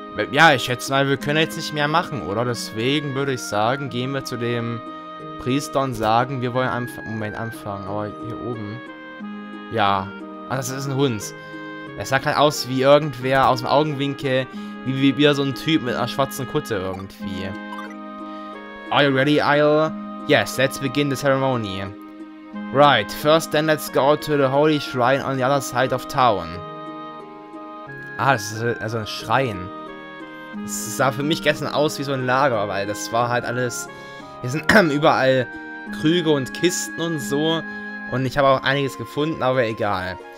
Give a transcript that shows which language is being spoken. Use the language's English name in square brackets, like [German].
[German] Ja, ich schätze mal, wir können jetzt nicht mehr machen, oder? Deswegen würde ich sagen, gehen wir zu dem Priester und sagen, wir wollen einfach... Moment, anfangen. Aber hier oben... Ja. Ah, das ist ein Hund. Er sah halt aus wie irgendwer aus dem Augenwinkel, wie so ein Typ mit einer schwarzen Kutte irgendwie. [English] Are you ready, Isle? Yes, let's begin the ceremony. Right, first then let's go to the holy shrine on the other side of town. [German] Ah, das ist also ein Schrein. Das sah für mich gestern aus wie so ein Lager, weil das war halt alles... Hier sind überall Krüge und Kisten und so. Und ich habe auch einiges gefunden, aber egal.